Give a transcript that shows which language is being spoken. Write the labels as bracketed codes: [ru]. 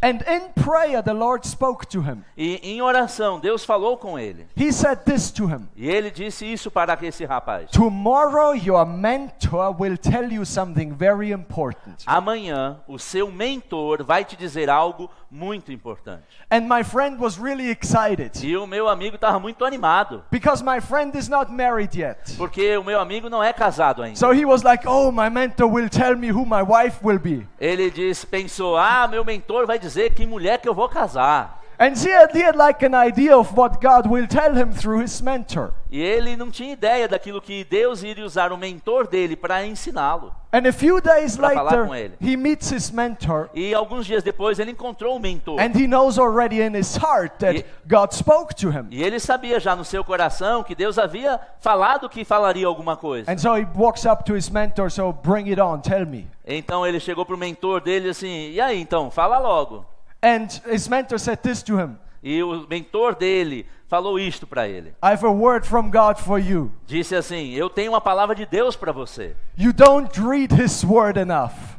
[en] And in prayer, the Lord spoke to him. [pt] E em oração, Deus falou com ele. [en] He said this to him. [pt] E ele disse isso para esse rapaz. [en] Tomorrow, your mentor will tell you something very important. [pt] Amanhã, o seu mentor vai te dizer algo muito importante. [en] And my friend was really excited. [pt] E o meu amigo estava muito animado. [en] Because my friend is not married yet. [pt] Porque o meu amigo não é casado ainda. [en] So he was like, oh, my mentor will tell me who my wife will be. [pt] Ele disse, pensou, ah, meu mentor vai dizer que mulher que eu vou casar. [en] And he had like an idea of what God will tell him through his mentor. [pt] E ele não tinha ideia daquilo que Deus iria usar o mentor dele para ensiná-lo. [en] And a few days later, he meets his mentor. [pt] E alguns dias depois ele encontrou o mentor. [en] And he knows already in his heart that God spoke to him. [pt] E ele sabia já no seu coração que Deus havia falado que falaria alguma coisa. [en] And so he walks up to his mentor, so bring it on, tell me. [pt] Então ele chegou pro mentor dele assim, e aí então, fala logo. [en] And his mentor said this to him. [pt] E o mentor dele falou isto para ele. [en] I have a word from God for you. [pt] Disse assim, eu tenho uma palavra de Deus para você. [en] You don't read his word enough.